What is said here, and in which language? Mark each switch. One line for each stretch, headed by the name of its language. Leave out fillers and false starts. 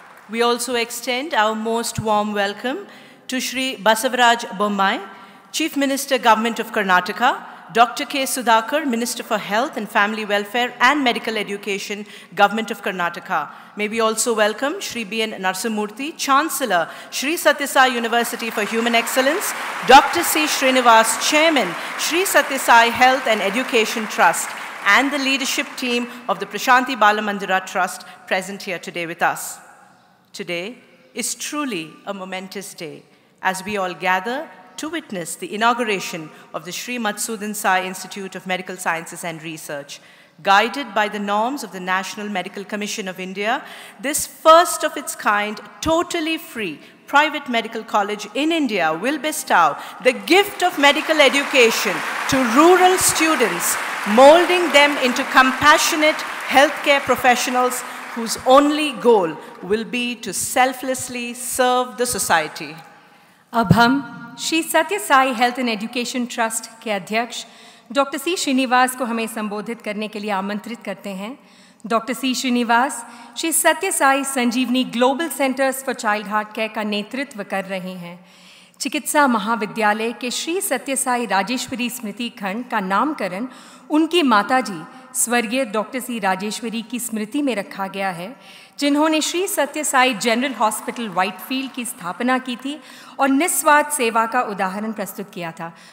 English: We also extend our most warm welcome to Shri Basavaraj Bommai, chief minister government of Karnataka, Dr. K. Sudhakar, Minister for Health and Family Welfare and Medical Education, Government of Karnataka. May we also welcome Shri B. N. Narasimurthy, Chancellor, Shri Sathya Sai University for Human Excellence, Dr. C. Srinivas, Chairman, Shri Sathya Sai Health and Education Trust, and the leadership team of the Prashanti Balamandira Trust present here today with us. Today is truly a momentous day as we all gather to witness the inauguration of the Shri Madhusudan Sai Institute of Medical Sciences and Research. Guided by the norms of the National Medical Commission of India, this first of its kind, totally free, private medical college in India will bestow the gift of medical education to rural students, molding them into compassionate healthcare professionals whose only goal will be to selflessly serve the society. Abham.
Hindi: Shri सत्य Sai health and education trust के अध्यक्ष doctor C Srinivas को हमें संबोधित करने के लिए आमंत्रित करते हैं. डॉक्टर सी श्रीनिवास श्री सत्य साई संजीवनी global centres for child heart care का नेतृत्व कर रहे हैं. चिकित्सा महाविद्यालय के श्री सत्य साई राजेश्वरी स्मृति खंड का नामकरण उनकी माता जी स्वर्गीय डॉक्टर सी राजेश्वरी की स्मृति में रखा गया है, जिन्होंने श्री सत्य साई जनरल हॉस्पिटल व्हाइटफील्ड की स्थापना की थी और निस्वार्थ सेवा का उदाहरण प्रस्तुत किया था.